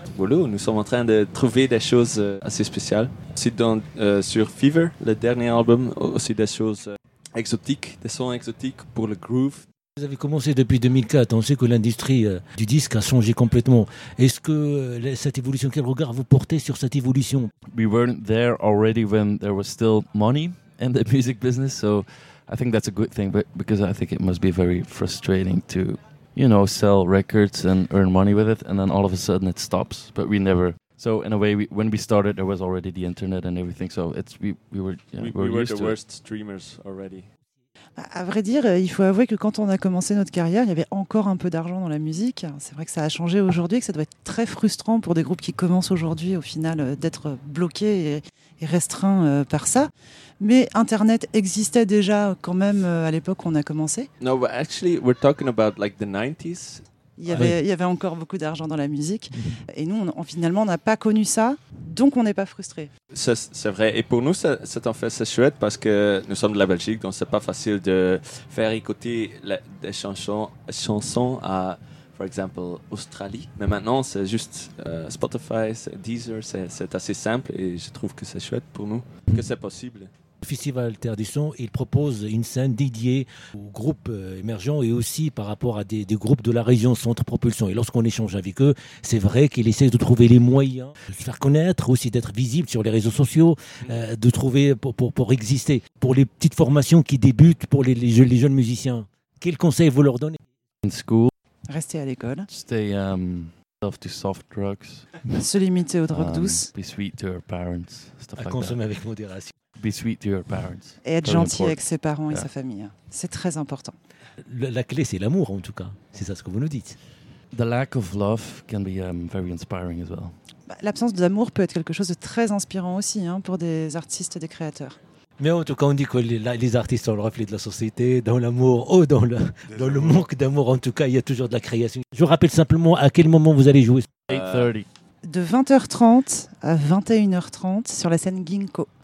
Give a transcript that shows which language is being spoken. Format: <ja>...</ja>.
<fr>Voilà, nous sommes en train de trouver des choses assez spéciales. Aussi dans, sur Fever, le dernier album, aussi des choses exotiques, des sons exotiques pour le groove. Vous avez commencé depuis 2004, on sait que l'industrie du disque a changé complètement. Est-ce que cette évolution, quel regard vous portez sur cette évolution?</fr> <en>We weren't there already when there was still money in the music business, so I think that's a good thing, but because I think it must be very frustrating to, you know, sell records and earn money with it, and then all of a sudden it stops, but we never... So in a way, when we started, there was already the internet and everything, so it's we were the worst streamers already.</en> <fr>À vrai dire, il faut avouer que quand on a commencé notre carrière, il y avait encore un peu d'argent dans la musique. C'est vrai que ça a changé aujourd'hui, que ça doit être très frustrant pour des groupes qui commencent aujourd'hui, au final, d'être bloqués et restreints par ça. Mais Internet existait déjà quand même à l'époque où on a commencé.</fr> <en>No, but actually, we're talking about like the 90s.</en> <fr>Il y avait encore beaucoup d'argent dans la musique. Et nous, finalement, on n'a pas connu ça. Donc, on n'est pas frustrés. C'est vrai. Et pour nous, c'est chouette parce que nous sommes de la Belgique. Donc, ce n'est pas facile de faire écouter des chansons à, par exemple, Australie. Mais maintenant, c'est juste Spotify, c'est Deezer. C'est assez simple et je trouve que c'est chouette pour nous que c'est possible. Le Festival Terre du Son, il propose une scène dédiée aux groupes émergents et aussi par rapport à des groupes de la région Centre Propulsion. Et lorsqu'on échange avec eux, c'est vrai qu'ils essaient de trouver les moyens de se faire connaître, aussi d'être visible sur les réseaux sociaux, de trouver pour exister. Pour les petites formations qui débutent, pour les jeunes musiciens, quels conseils vous leur donnez ?</fr> <en>In school.</en> <fr>Restez à l'école.</fr> <en>Stay to soft drugs.</en> <fr>Se limiter aux drogues douces.</fr> <en>Be sweet to our parents. Stuff</en> <fr>à</fr> <en>like</en> <fr>consommer</fr> <en>that.</en> <fr>Avec modération.</fr> <en>Be sweet to your parents.</en> <fr>Et être gentil important. Avec ses parents et yeah. sa famille. C'est très important. La clé, c'est l'amour, en tout cas. C'est ça ce que vous nous dites. The lack of love can be very inspiring as well. L'absence d'amour peut être quelque chose de très inspirant aussi hein, pour des artistes et des créateurs. Mais en tout cas, on dit que les artistes sont le reflet de la société, dans l'amour ou dans le manque d'amour. En tout cas, il y a toujours de la création. Je rappelle simplement à quel moment vous allez jouer.</fr> <en>8:30.</en> <fr>De 20h30 à 21h30 sur la scène Ginkgo.</fr>